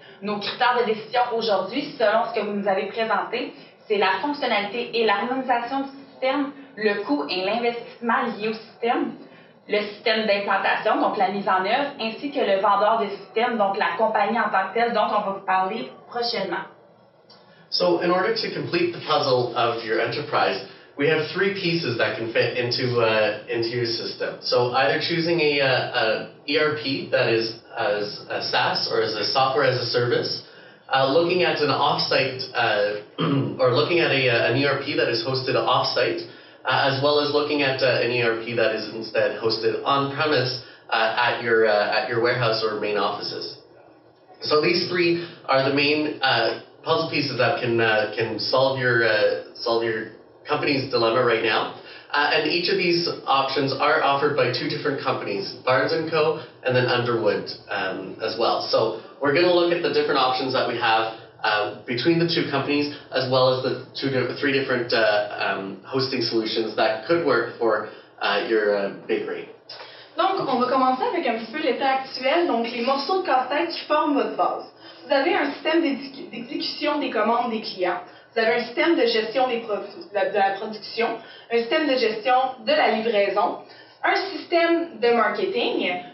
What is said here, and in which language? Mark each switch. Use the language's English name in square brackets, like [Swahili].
[French] Nos critères de décision aujourd'hui, selon ce que vous nous avez présenté, c'est la fonctionnalité et l'harmonisation du système, le coût et l'investissement lié au système, le système d'implantation, donc la mise en œuvre, ainsi que le vendeur de système, donc la compagnie en tant que telle, dont on va vous parler prochainement. [English] So, in order to complete the puzzle of your enterprise, we have three pieces that can fit into your system. So, either choosing a ERP that is as a SaaS or as a software as a service, looking at an offsite or looking at an ERP that is hosted offsite, as well as looking at an ERP that is instead hosted on premise at your warehouse or main offices. So, these three are the main puzzle pieces that can solve your company's dilemma right now. And each of these options are offered by two different companies, Barnes & Co. and then Underwood as well. So we're going to look at the different options that we have between the two companies, as well as the three different hosting solutions that could work for your bakery. [French] Donc, on va commencer avec un petit peu l'état actuel, donc les morceaux de casse-tête qui forment votre base. Vous avez un système d'exécution des commandes des clients. Vous avez un système de gestion de la production, un système de gestion de la livraison, un système de marketing.